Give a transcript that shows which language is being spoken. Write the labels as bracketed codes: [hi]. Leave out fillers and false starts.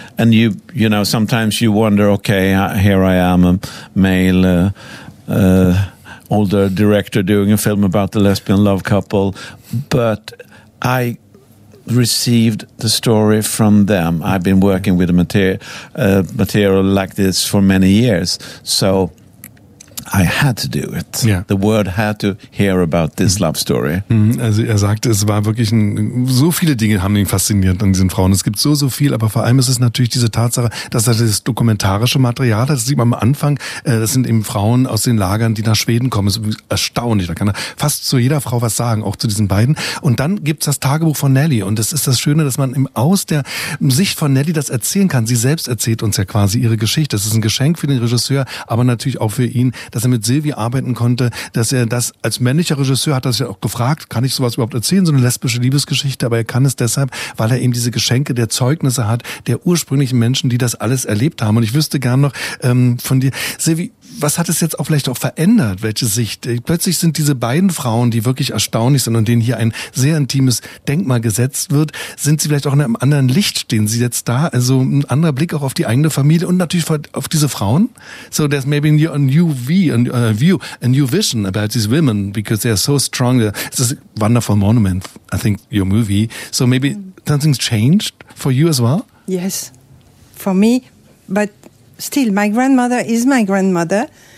[en] And you know, sometimes you wonder, okay, here I am, a male older director doing a film about the lesbian love couple, but I received the story from them. I've been working with a material like this for many years, so I had to do it. Yeah. The world had to hear about this love story. [de] Also er sagte, es war wirklich so viele Dinge haben ihn fasziniert an diesen Frauen. Es gibt so, so viel, aber vor allem ist es natürlich diese Tatsache, dass er das dokumentarische Material hat. Das sieht man am Anfang. Das sind eben Frauen aus den Lagern, die nach Schweden kommen. Das ist erstaunlich. Da kann er fast zu jeder Frau was sagen, auch zu diesen beiden. Und dann gibt's das Tagebuch von Nelly. Und das ist das Schöne, dass man aus der Sicht von Nelly das erzählen kann. Sie selbst erzählt uns ja quasi ihre Geschichte. Das ist ein Geschenk für den Regisseur, aber natürlich auch für ihn, dass er mit Sylvie arbeiten konnte, dass er das als männlicher Regisseur hat, das ja auch gefragt, kann ich sowas überhaupt erzählen, so eine lesbische Liebesgeschichte, aber er kann es deshalb, weil er eben diese Geschenke der Zeugnisse hat, der ursprünglichen Menschen, die das alles erlebt haben. Und ich wüsste gern noch von dir, Sylvie, was hat es jetzt auch vielleicht auch verändert, welche Sicht? Plötzlich sind diese beiden Frauen, die wirklich erstaunlich sind und denen hier ein sehr intimes Denkmal gesetzt wird, sind sie vielleicht auch in einem anderen Licht, stehen sie jetzt da? Also ein anderer Blick auch auf die eigene Familie und natürlich auf diese Frauen? [en] So there's maybe a new vision about these women because they are so strong. It's a wonderful monument, I think, your movie. So maybe something's changed for you as well? Yes, for me, but still, my grandmother is my grandmother.